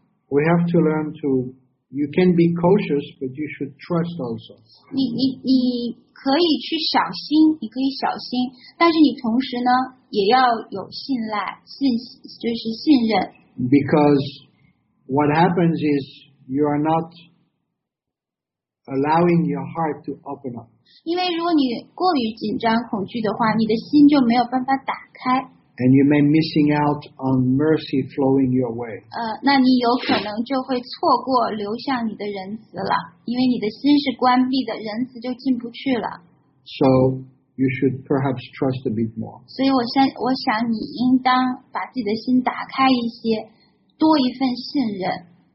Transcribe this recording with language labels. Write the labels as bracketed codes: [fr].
[en] We have to learn to, you can be cautious, but you should trust also. [zh] 你可以去小心，你可以小心，但是你同时呢也要有信赖，信，就是信任。 [en] Because what happens is you are not allowing your heart to open up. [zh] 因为如果你过于紧张恐惧的话，你的心就没有办法打开。 [en] And you may missing out on mercy flowing your way. [zh] 那你有可能就会错过流向你的仁慈了，因为你的心是关闭的，仁慈就进不去了。 [en] So. You should perhaps trust a bit more. [zh] 所以我想你应当把自己的心打开一些，多一份信任。